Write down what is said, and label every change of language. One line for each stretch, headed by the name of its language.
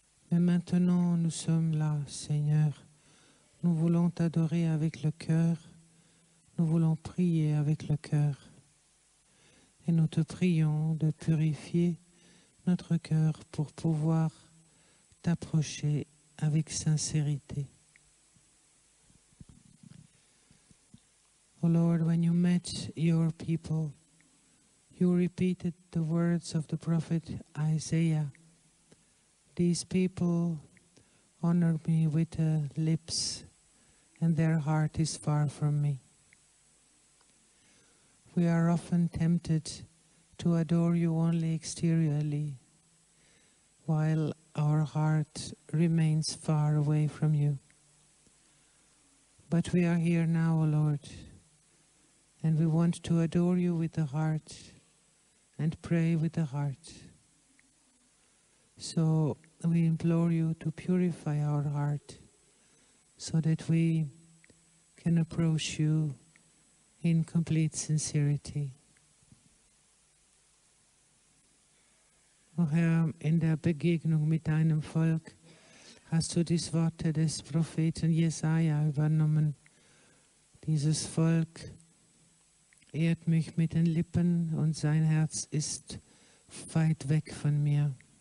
French: Mais maintenant nous sommes là, Seigneur. Nous voulons t'adorer avec le cœur. Nous voulons prier avec le cœur. Et nous te prions de purifier notre cœur pour pouvoir t'approcher avec sincérité.
English: O Lord, when you met your people, you repeated the words of the prophet Isaiah. These people honor me with their lips, and their heart is far from me. We are often tempted to adore you only exteriorly, while our heart remains far away from you. But we are here now, O Lord, and we want to adore you with the heart and pray with the heart. So we implore you to purify our heart so that we can approach you in complete sincerity.
German: O Herr, in der Begegnung mit deinem Volk hast du die Worte des Propheten Jesaja übernommen. Dieses Volk ehrt mich mit den Lippen und sein Herz ist weit weg von mir.